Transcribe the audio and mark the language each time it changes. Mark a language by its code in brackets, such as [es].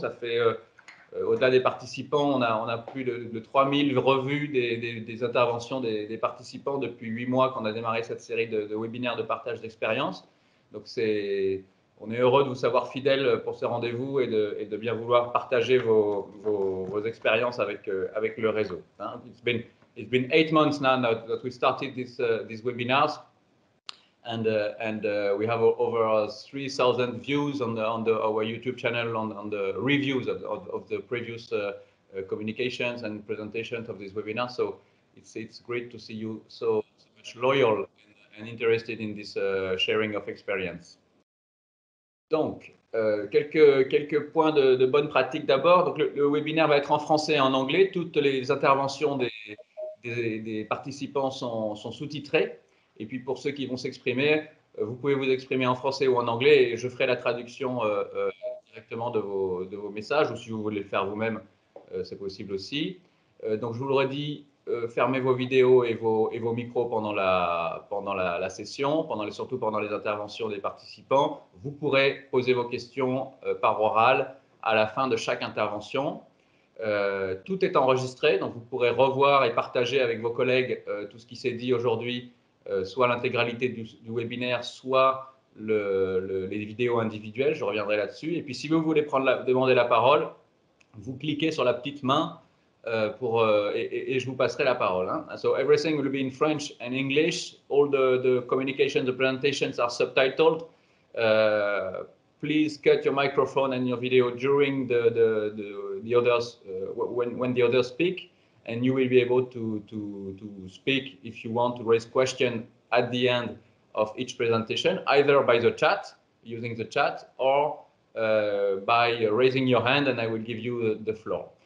[fr] Ça fait au-delà des participants, on a plus de 3000 revues des interventions des participants depuis 8 mois qu'on a démarré cette série de webinaires de partage d'expérience. Donc on est heureux de vous savoir fidèles pour ce rendez-vous et de bien vouloir partager vos expériences avec le réseau. [en] It's been 8 months now that we started these webinars and we have over 3,000 views on our YouTube channel on the reviews of the previous communications and presentations of this webinar. So it's great to see you so much loyal and interested in this sharing of experience. [fr] Donc quelques points de bonne pratique d'abord. Donc le webinaire va être en français et en anglais. Toutes les interventions des participants sont sous-titrées. Et puis pour ceux qui vont s'exprimer, vous pouvez vous exprimer en français ou en anglais et je ferai la traduction directement de vos messages ou si vous voulez le faire vous-même, c'est possible aussi. Donc je vous l'aurais dit, fermez vos vidéos et vos micros pendant la session, surtout pendant les interventions des participants. Vous pourrez poser vos questions par oral à la fin de chaque intervention. Tout est enregistré, donc vous pourrez revoir et partager avec vos collègues tout ce qui s'est dit aujourd'hui. Soit l'intégralité du webinaire, soit les vidéos individuelles, je reviendrai là-dessus. Et puis si vous voulez demander la parole, vous cliquez sur la petite main et je vous passerai la parole. Hein. [en] So everything will be in French and English. All the communications, the presentations are subtitled. Please cut your microphone and your video during the others, when the others speak. And you will be able to speak if you want to raise questions at the end of each presentation, either by the chat, using the chat, or by raising your hand and I will give you the floor.